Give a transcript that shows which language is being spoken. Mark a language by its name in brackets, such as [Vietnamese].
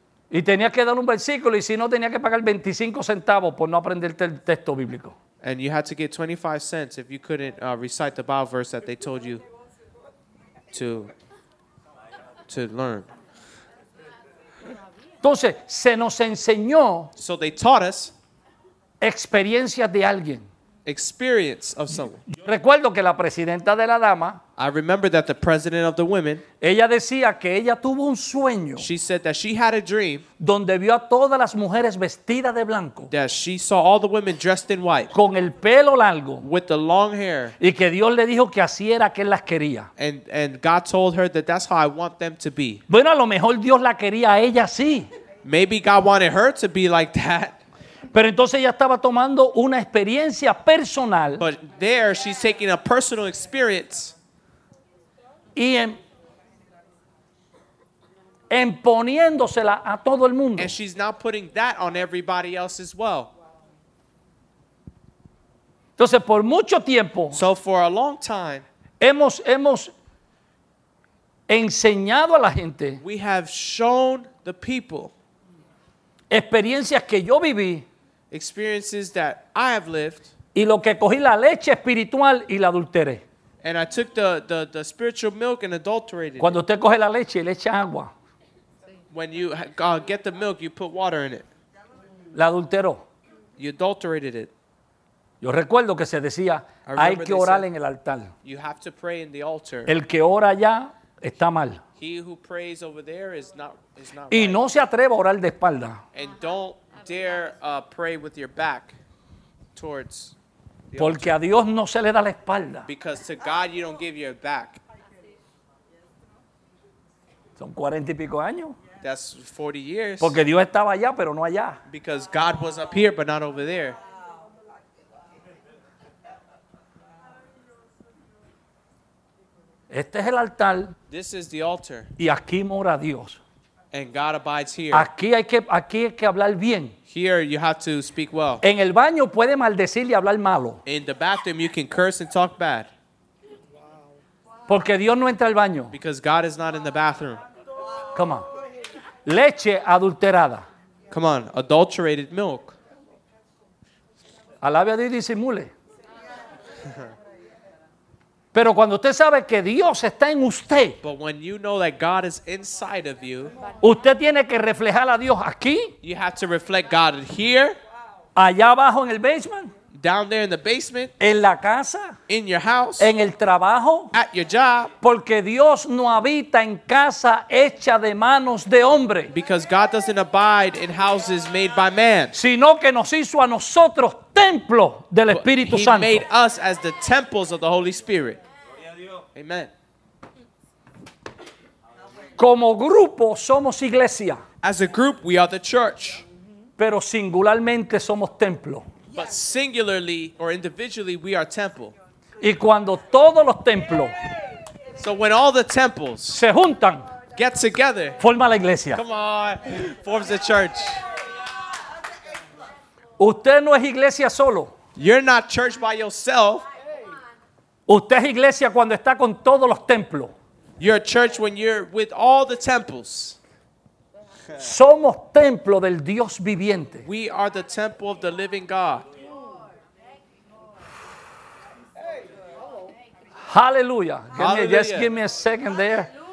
[Spanish] Y tenía que dar un versículo y si no tenía que pagar 25 centavos por no aprenderte el texto bíblico. [English] And you had to get 25 cents if you couldn't recite the Bible verse that they told you to learn. [Spanish] Entonces, se nos enseñó [English] so they taught us [Spanish] experiencias de alguien. [English] Experience of someone. [Spanish] Recuerdo que la presidenta de la dama, [English] I remember that the president of the women, [Spanish] ella decía que ella tuvo un sueño, [English] she said that she had a dream, [Spanish] donde vio a todas las mujeres vestidas de blanco, [English] that she saw all the women dressed in white, [Spanish] con el pelo largo, [English] with the long hair, [Spanish] y que Dios le dijo que así era que él las quería, [English] and God told her that that's how I want them to be. [Spanish] Bueno, a lo mejor Dios la quería a ella así. [English] Maybe God wanted her to be like that. [Spanish] Pero entonces ella estaba tomando una experiencia personal. [English] But there she's taking a personal experience. [Spanish] Y en poniéndosela a todo el mundo. [English] And she's now putting that on everybody else as well. [Spanish] Entonces por mucho tiempo. [English] So for a long time. [Spanish] Hemos enseñado a la gente. [English] We have shown the people. [Spanish] Experiencias que yo viví. [English] Experiences that I have lived. [Spanish] Y lo que cogí la leche espiritual y la adulteré. [English] And I took the spiritual milk and adulterated it. [Spanish] Cuando usted coge la leche, le echa agua. [English] When you get the milk, you put water in it. [Spanish] La adulteró. [English] You adulterated it. [Spanish] Yo recuerdo que se decía, hay que orar en el altar. [English] You have to pray in the altar. [Spanish] El que ora allá está mal. [English] He who prays over there is not [Spanish] y [English] right. [Spanish] No se atreva a orar de espalda. [English] And don't dare pray with your back towards [Spanish] porque a Dios no se le da la espalda. [English] Because to God you don't give your back. [Spanish] Son 40 y pico años. [English] That's 40 years. [Spanish] Porque Dios estaba allá, pero no allá. [English] Because God was up here, but not over there. [Spanish] Este es el altar. [English] This is the altar. [Spanish] Y aquí mora Dios. [English] And God abides here. [Spanish] Aquí hay que hablar bien. [English] Here you have to speak well. [Spanish] En el baño puede maldecir y hablar malo. [English] In the bathroom you can curse and talk bad. [Spanish] Porque Dios no entra al baño. [English] Because God is not in the bathroom. Come on. [Spanish] Leche adulterada. [English] Come on, adulterated milk. [Spanish] Alabe a Dios y disimule. Pero cuando usted sabe que Dios está en usted, [English] but when you know that God is inside of you, [Spanish] usted tiene que reflejar a Dios aquí. [English] You have to reflect God here. [Spanish] Allá abajo en el basement. [English] Down there in the basement. [Spanish] En la casa. [English] In your house. [Spanish] En el trabajo. [English] At your job. [Spanish] Porque Dios no habita en casa hecha de manos de hombre. [English] Because God doesn't abide in houses made by man. [Spanish] Sino que nos hizo a nosotros templo del Espíritu [English] he [Spanish] Santo. [English] He made us as the temples of the Holy Spirit. Amen. [Spanish] Como grupo somos iglesia. [English] As a group we are the church. [Spanish] Pero singularmente somos templo. [English] But singularly or individually we are temple. [Spanish] Y cuando todos los templos, [English] so when all the temples [Spanish] se juntan, [English] get together, [Spanish] forma la iglesia. [English] Come on, forms the church. [Spanish] Usted no es iglesia solo. [English] You're not church by yourself. [Spanish] Usted es iglesia cuando está con todos los templos. [English] You're a church when you're with all the temples. [Spanish] Somos templo del Dios viviente. [English] We are the temple of the living God. Hallelujah. Just give me a second there.